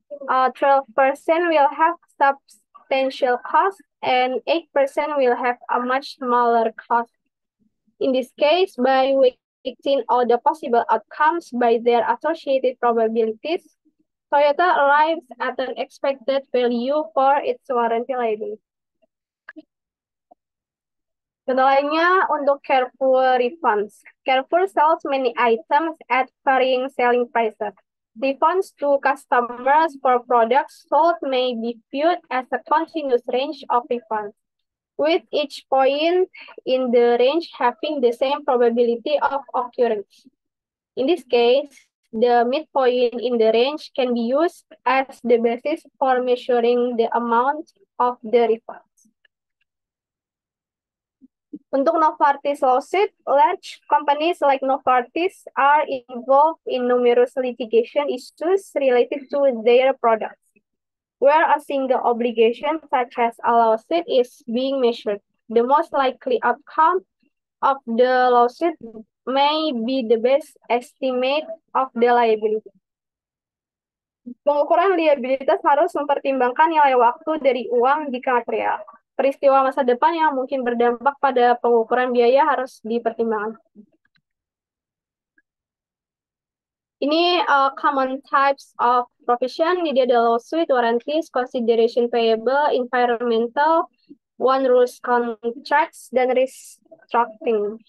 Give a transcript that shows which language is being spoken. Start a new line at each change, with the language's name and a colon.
English: 12% will have substantial cost, and 8% will have a much smaller cost. In this case, by weighting all the possible outcomes by their associated probabilities, Toyota arrives at an expected value for its warranty liability.
Indonesian: Contoh lainnya untuk Carrefour refunds.
English: Carrefour sells many items at varying selling prices. Refunds to customers for products sold may be viewed as a continuous range of refunds, with each point in the range having the same probability of occurrence. In this case, the midpoint in the range can be used as the basis for measuring the amount of the refund. Untuk Novartis lawsuit, large companies like Novartis are involved in numerous litigation issues related to their products, where a single obligation such as a lawsuit is being measured. The most likely outcome of the lawsuit may be the best estimate of the liability.
Indonesian: Pengukuran liabilitas harus mempertimbangkan nilai waktu dari uang jika material. Peristiwa masa depan yang mungkin berdampak pada pengukuran biaya harus dipertimbangkan.
English: Ini common types of provision.
Indonesian: Ini ada
English: lawsuit, warranties, consideration payable, environmental, one rules contracts, dan restructuring.